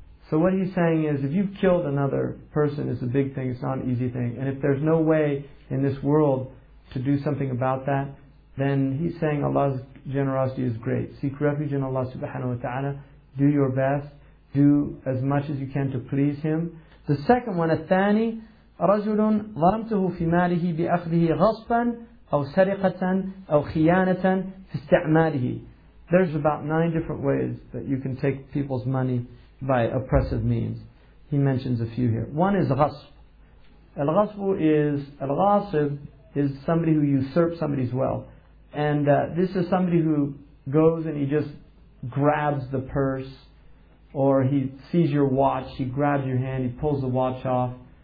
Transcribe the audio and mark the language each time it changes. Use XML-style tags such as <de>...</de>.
<en>So what he's saying is, if you've killed another person, it's a big thing, it's not an easy thing. And if there's no way in this world to do something about that, then he's saying Allah's generosity is great. Seek refuge in Allah subhanahu wa ta'ala. Do your best. Do as much as you can to please Him. The second one,</en> <ar>الثاني, رَجُلٌ ظَرَمْتُهُ فِي مَالِهِ بِأَخْذِهِ غَصْبًا أَوْ سَرِقَةً أَوْ خِيَانَةً فِي اسْتِعْمَالِهِ.</ar> <en>There's about 9 different ways that you can take people's money by oppressive means. He mentions a few here. One is غَصْب. الغاصب is somebody who usurps somebody's wealth. And this is somebody who goes and he just grabs the purse, or he sees your watch, he grabs your hand, he pulls the watch off.</en>